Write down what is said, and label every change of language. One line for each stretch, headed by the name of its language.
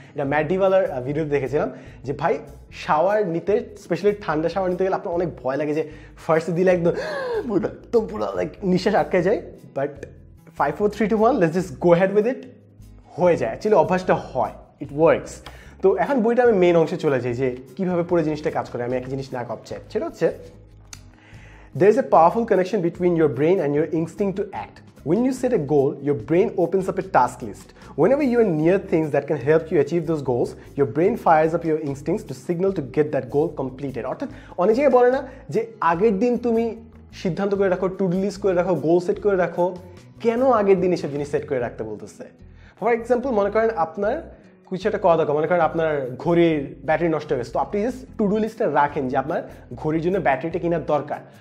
Bangla: এটা ম্যাডিভালার ভিডিওতে দেখেছিলাম যে ভাই শাওয়ার নিতে, স্পেশালি ঠান্ডা শাওয়ার নিতে গেলে আপনার অনেক ভয় লাগে যে ফার্স্ট দিলে একদম তো পুরো লাইক নিঃশ্বাস আটকে যায়, but
English: 5 4 3 2 1 let's just go ahead with it,
Bangla: হয়ে যায়, অ্যাকচুয়ালি অভ্যাসটা হয়,
English: It works.
Bangla: তো এখন বইটা আমি মেইন অংশে চলে যাই যে কীভাবে পুরো জিনিসটা কাজ করে, আমি একই জিনিস না কপ চাই। সেটা হচ্ছে
English: There is a powerful connection between your brain and your instinct to act. When you set a goal, your brain opens up a task list. Whenever you are near things that can help you achieve those goals, your brain fires up your instincts to signal to get that goal completed.
Bangla: অর্থাৎ অনেক জায়গায় বলে না যে আগের দিন তুমি সিদ্ধান্ত করে রাখো, টু ডু লিস্ট করে রাখো, গোল সেট করে রাখো, কেন আগের দিন এসব জিনিস সেট করে রাখতে বলতেছে? ফর এক্সাম্পল, মনে করেন আপনার কিছু একটা করা দরকার, মনে করেন আপনার ঘড়ির ব্যাটারি নষ্ট হয়েছে, তো আপনি জাস্ট টু ডু লিস্টটা রাখেন যে আপনার ঘড়ির জন্য ব্যাটারিটা কেনার দরকার।